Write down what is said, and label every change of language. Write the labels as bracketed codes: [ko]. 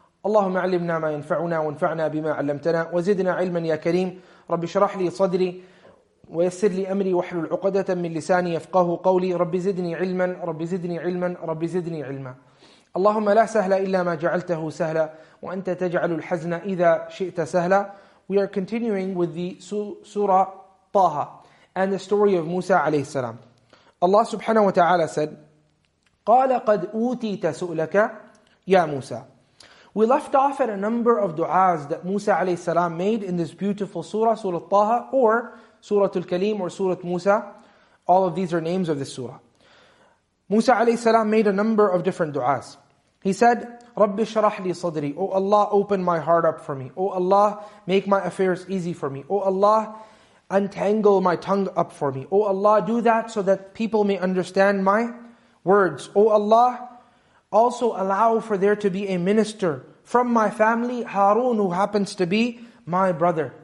[ar] اللهم علمنا ما ينفعنا وانفعنا بما علمتنا وزدنا علما يا كريم. رب اشرح لي صدري ويسر لي أمري واحلل عقدة من لساني يفقه قولي. رب زدني علما رب زدني علما رب زدني علما. اللهم لا سهل إلا ما جعلته سهلا وأنت تجعل الحزن إذا شئت سهلا. [en] We are continuing with the Surah Taha and the story of Musa alayhi salam. Allah subhanahu wa ta'ala said, [ar] قَالَ قَدْ أُوتِيتَ سُؤْلَكَ يَا مُوسَى. [en] We left off at a number of du'as that Musa alayhi salam made in this beautiful surah, Surah Taha, or Surah Al-Kalim or Surah Musa. All of these are names of this surah. Musa alayhi salam made a number of different du'as. He said, [ar] رَبِّ شَرَحْ لِي صَدْرِي. [en] O Allah, open my heart up for me. O Allah, make my affairs easy for me. O Allah, untangle my tongue up for me. O Allah, do that so that people may understand my words. O Allah, also allow for there to be a minister from my family, Harun, who happens to be my brother.